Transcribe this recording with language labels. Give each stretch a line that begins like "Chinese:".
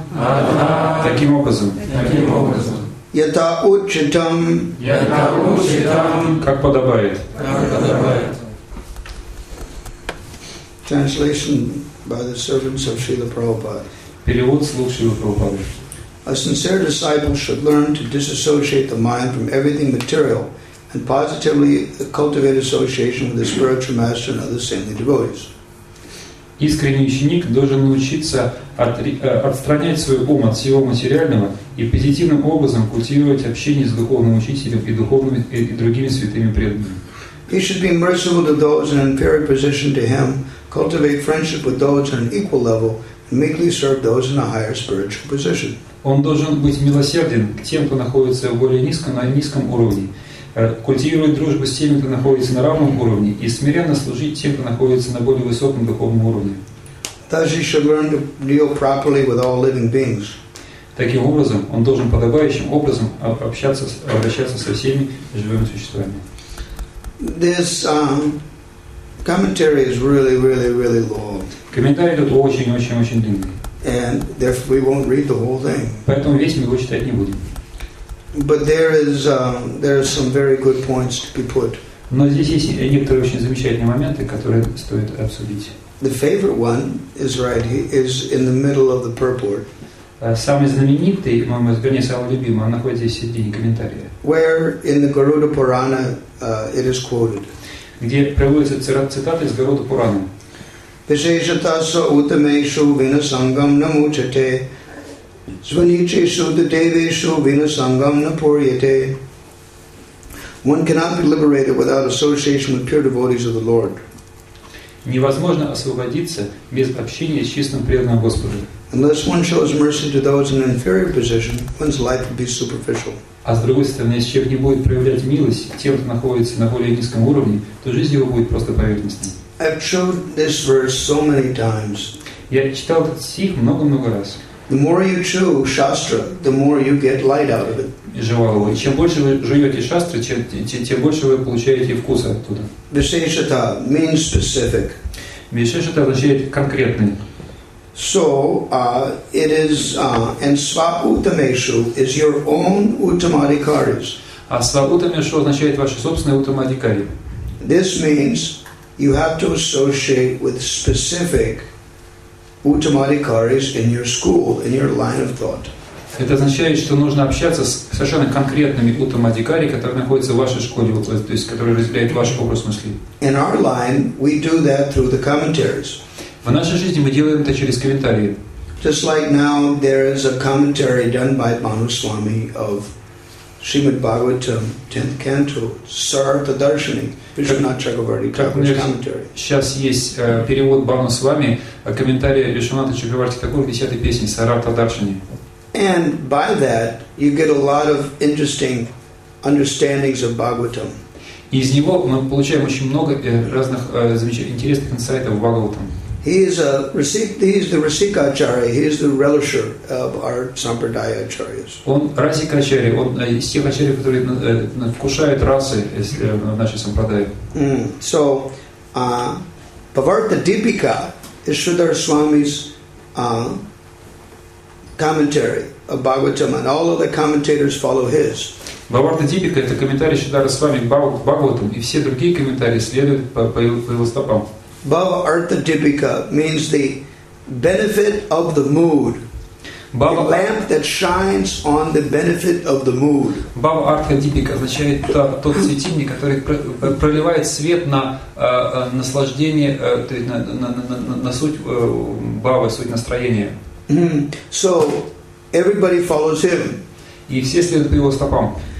Sanskrit: Адха.
Russian: Таким образом. Таким образом.
Sanskrit: Ята учитам. Ята учитам.
Russian: Как подобает. Как подобает.
English: Translation by the servants of Srila Prabhupada.
Russian: Перевод слов Шрилы Прабхупады.
English: A sincere disciple should learn to disassociate the mind from everything material and positively cultivate association with the spiritual master and other saintly devotees.
Russian: Искренний ученик должен научиться отстранять свой ум от всего материального и позитивным образом культивировать общение с духовным учителем и духовными и другими святыми преданными.
English: He should be merciful to those in an inferior position to him, cultivate friendship with those on an equal level, and meekly serve those in a higher spiritual position.
Russian: Он должен быть милосерден к тем, кто находится в более низком, на низком уровне, культивировать дружбу с теми, кто находится на равном уровне, и смиренно служить тем, кто находится на более высоком духовном уровне.
English: Thus he should learn to deal properly with all living beings.
Russian: Таким образом, он должен подобающим образом обращаться со всеми живыми существами.
English: This commentary is really, really, really long.
Russian: Комментарий тут очень, очень, очень длинный.
English: And therefore we won't read the whole thing.
Russian: Поэтому весь мы его читать не будем.
English: But there are some very good points to be put.
Russian: Но здесь есть некоторые очень замечательные моменты, которые стоит обсудить.
English: The favorite one is right. He is in the middle of the purport.
Russian: Самый знаменитый, по-моему, вернее, самый любимый, он находится здесь в середине комментария.
English: Where in the Garuda Purana it is quoted.
Russian: Где приводится цитата из Гаруда Пурана.
Sanskrit: Vishesatasa utameshu vinasangam namuchate. Svanicheshu dadeveshu vinasangam napuryate.
English: One cannot be liberated without association with pure devotees of the Lord.
Russian: Невозможно освободиться без общения с чистым преданным Господом.
English: Unless one shows mercy to those in an inferior position, one's life would be superficial.
Russian: А с другой стороны, если человек не будет проявлять милость тем, кто находится на более низком уровне, то жизнь его будет просто поверхностной.
English: I've shown this verse so many times.
Russian: Я читал этот стих много-много раз.
English: The more you chew shastra, the more you get light out of it.
Russian: Чем больше вы жуете шастры, тем больше вы получаете вкуса оттуда.
English: Vishesata means specific.
Russian: Vishesata означает конкретный.
English: So it is and svaputameshu is your own uttamadhikaris.
Russian: А svaputameshu означает ваши собственные уттамадхикари.
English: This means you have to associate with specific uttamadhikaris in your school, in your line of thought.
Russian: Это означает, что нужно общаться с совершенно конкретными уттамадхикари, которые находятся в вашей школе, то есть которые разделяют ваш образ мысли.
English: In our line, we do that through the commentaries.
Russian: В нашей жизни мы делаем это через комментарии.
English: Just like now, there is a commentary done by Bhanuswami of Шримад Бхагаватам, 10th canto, Sartha Даршани, Вишванат Чакраварти Такур's commentary.
Russian: Сейчас есть перевод Бану с вами, комментарий Вишванат Чакраварти Такур, 10-й песни, Сартха Даршани.
English: And by that, you get a lot of interesting understandings of Бхагаватам.
Russian: Из него мы получаем очень много разных замечательных, интересных инсайтов в Бхагаватам.
English: He is the Rasika Acharya, the relisher of our Sampradaya Acharyas.
Russian: Он Расика Ачарья, он из тех Ачарьев, которые вкушают расы в нашей Сампрадае.
English: So, Bhavartha Deepika is Sridhar Swami's commentary of Bhagavatam, and all other commentators follow his.
Russian: Бхавартха Дипика — это комментарий Шридхара Свами к Бхагаватам, и все другие комментарии следуют по его стопам.
English: Бхавартха Дипика means the benefit of the mood. The lamp that shines on the benefit of the mood.
Russian: Бхавартха Дипика означает тот светильник, который проливает свет на наслаждение, то есть на суть бхавы, суть настроения.
English: So everybody follows him.
Russian: И все следуют по его стопам.